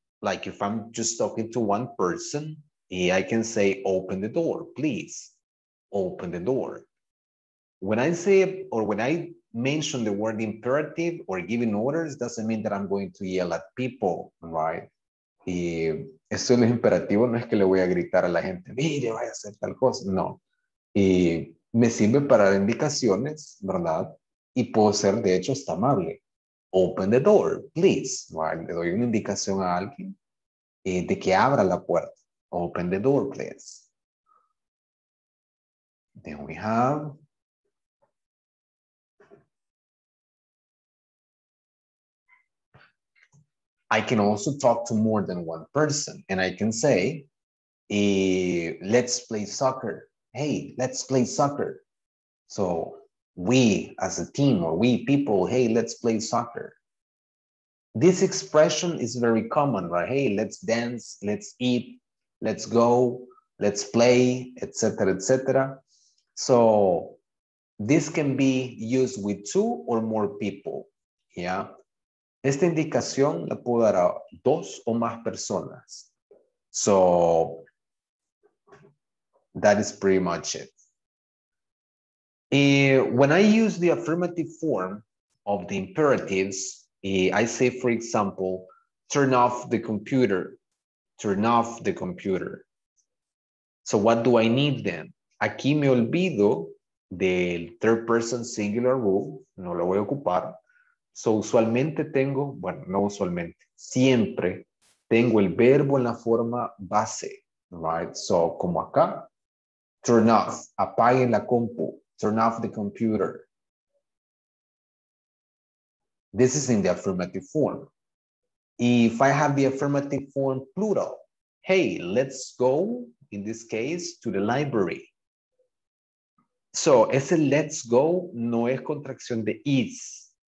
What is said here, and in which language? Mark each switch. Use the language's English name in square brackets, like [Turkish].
[English] Like if I'm just talking to one person, I can say, open the door, please. Open the door. When I say, or when I mention the word imperative or giving orders, doesn't mean that I'm going to yell at people, right? [Spanish] Y eso no es imperativo, no es que le voy a gritar a la gente, mire, vaya a hacer tal cosa, no. Y me sirve para indicaciones, ¿verdad? Y puedo ser, de hecho, hasta amable. Open the door, please. Right? Le doy una indicación a alguien de que abra la puerta. [English] Open the door, please. Then we have... I can also talk to more than one person and I can say, let's play soccer. Hey, let's play soccer. So we as a team or we people, hey, let's play soccer. This expression is very common, right? Hey, let's dance, let's eat, let's go, let's play, etc., etc. So this can be used with two or more people, yeah? [Spanish] Esta indicación la puedo dar a dos o más personas. [English] So, that is pretty much it. When I use the affirmative form of the imperatives, I say, for example, turn off the computer. Turn off the computer. So, what do I need then? [Spanish] Aquí me olvido del third person singular rule. No lo voy a ocupar. So, usualmente tengo, bueno, no usualmente, siempre tengo el verbo en la forma base, right? [English] So, como acá, turn off, apaguen la compu, turn off the computer. This is in the affirmative form. If I have the affirmative form plural, hey, let's go, in this case, to the library. [Spanish] So, ese let's go no es contracción de is.